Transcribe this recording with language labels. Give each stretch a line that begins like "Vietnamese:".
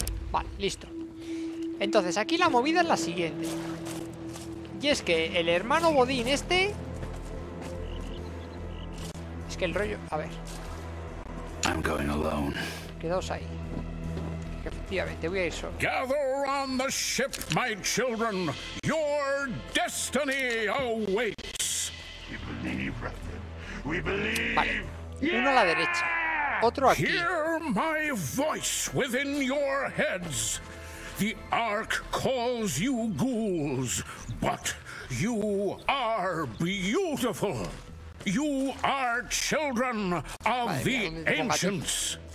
Spanish: Vale, listo. Entonces, aquí la movida es la siguiente. Y es que el hermano Bodín este... Es que el rollo... A ver.
English: I'm going alone.
Spanish: Quedaos ahí. Efectivamente, voy a ir solo.
English: Gather on the ship, my children. Your destiny awaits. We believe, Rathen. We believe.
Spanish: Vale. Uno a la derecha, otro aquí.
English: Hear my voice within your heads. The Ark calls you ghouls, but you are beautiful. You are children of the ancients.